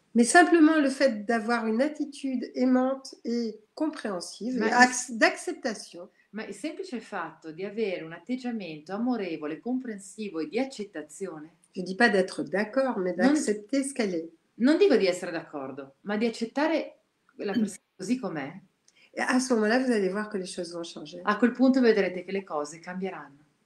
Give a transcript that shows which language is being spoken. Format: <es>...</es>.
<fr>Mais simplement le fait d'avoir une attitude aimante et compréhensive, d'acceptation.</fr> <it>Ma il semplice fatto di avere un atteggiamento amorevole, comprensivo e di accettazione.</it> <fr>Je ne dis pas d'être d'accord, mais d'accepter ce qu'elle est.</fr> <it>Non dico di essere d'accordo, ma di accettare la persona così com'è.</it> <fr>Et à ce moment-là, vous allez voir que les choses vont changer.</fr> <it>A quel punto vedrete che le cose cambieranno.</it>